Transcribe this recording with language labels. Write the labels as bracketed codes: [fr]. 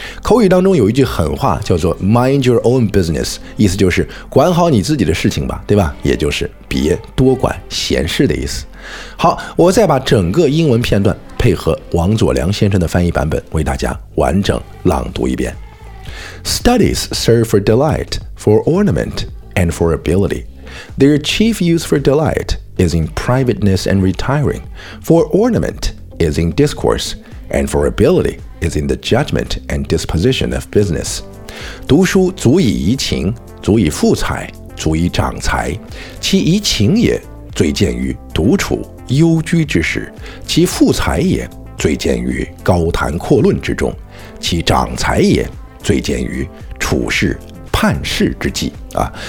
[zh] 口语当中有一句狠话叫做 [en] mind your own business， [zh] 意思就是管好你自己的事情吧，对吧，也就是别多管闲事的意思。好，我再把整个英文片段配合王佐良先生的翻译版本为大家完整朗读一遍。 [en] Studies serve for delight, for ornament, and for ability. Their chief use for delight is in privateness and retiring, for ornament is in discourse, and for ability is in the judgment and disposition of business. [zh] 读书足以怡情，足以富财，足以长财，其怡情也最见于独处幽居之时，其富财也最见于高谈阔论之中，其长财也最见于处事判事之际啊。